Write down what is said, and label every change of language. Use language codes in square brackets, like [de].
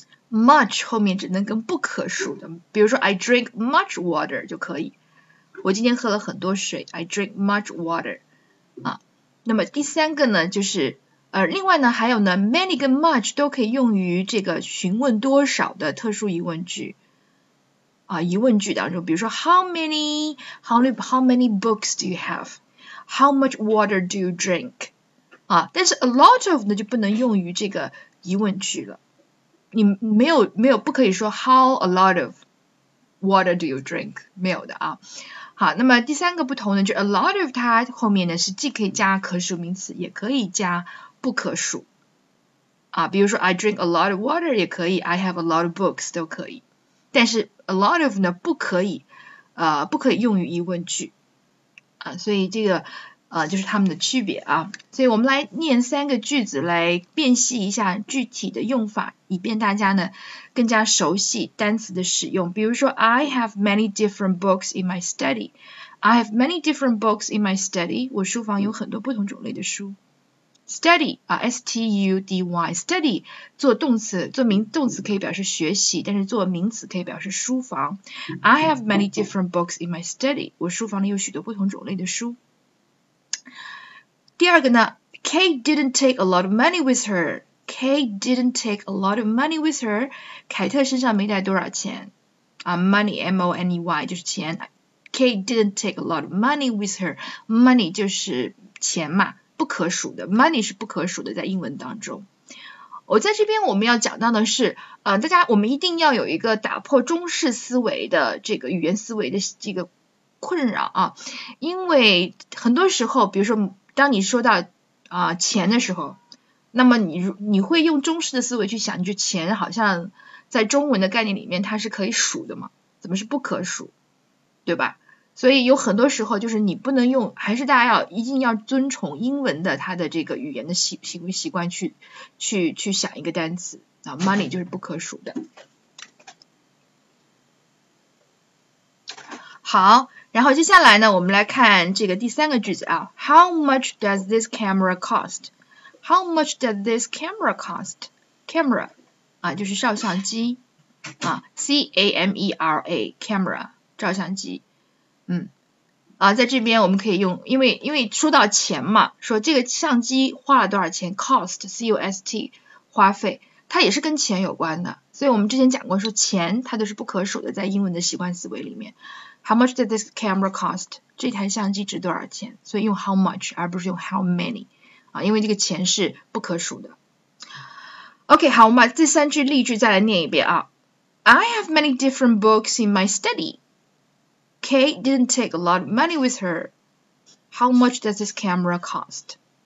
[zh] Much 后面只能跟不可数的，比如说 [en] I drink much water [zh] 就可以。我今天喝了很多水， [en] I drink much water。 [zh] 啊，那么第三个呢，就是另外呢还有呢，many 跟 much 都可以用于这个询问多少的特殊疑问句。啊，疑问句当中，比如说 [en] how many books do you have？How much water do you drink？ [zh] 啊，但是 a lot of 呢就不能用于这个疑问句了。你没有不可以说 [en] how a lot of water do you drink [zh] 没有的啊。好，那么第三个不同呢，就 a lot of 它后面呢是既可以加可数名词，也可以加不可数啊。比如说 [en] I drink a lot of water [zh] 也可以， [en] I have a lot of books [zh] 都可以。但是 a lot of 呢不可以用于疑问句啊，所以这个就是它们的区别啊。所以我们来念三个句子来辨析一下具体的用法。以便大家呢更加熟悉单词的使用，比如说 [en] I have many different books in my study. I have many different books in my study. [zh] 我书房有很多不同种类的书。Study 啊，study 做动词，做名动词可以表示学习，但是做名词可以表示书房。 [en] I have many different books in my study. [zh] 我书房里有许多不同种类的书。第二个呢， [en] Kate didn't take a lot of money with her. Kate didn't take a lot of money with her. [zh] 凯特身上没带多少钱啊，money money 就是钱。 [en] Kate didn't take a lot of money with her. [zh] Money 就是钱嘛，不可数的。Money 是不可数的，在英文当中。我在这边我们要讲到的是，大家我们一定要有一个打破中式思维的这个语言思维的这个困扰啊，因为很多时候，比如说当你说到钱的时候。那么你会用中式的思维去想，就钱好像在中文的概念里面它是可以数的嘛？怎么是不可数，对吧？所以有很多时候就是你不能用，还是大家要一定要遵从英文的它的这个语言的习惯去想一个单词啊，money 就是不可数的。好，然后接下来呢，我们来看这个第三个句子啊， [en] How much does this camera cost？ How much does this camera cost? [zh] Camera 啊，就是照相机啊，camera，照相机。在这边我们可以用，因为说到钱嘛，说这个相机花了多少钱，cost，花费，它也是跟钱有关的。所以我们之前讲过，说钱它都是不可数的，在英文的习惯思维里面。 [en] How much does this camera cost? [zh] 这台相机值多少钱？所以用 how much 而不是用 how many。啊，因为这个钱是不可数的。OK，好，我们把这三句例句再来念一遍啊。 [en] I have many different books in my study. Kate didn't take a lot of money with her. How much does this camera cost?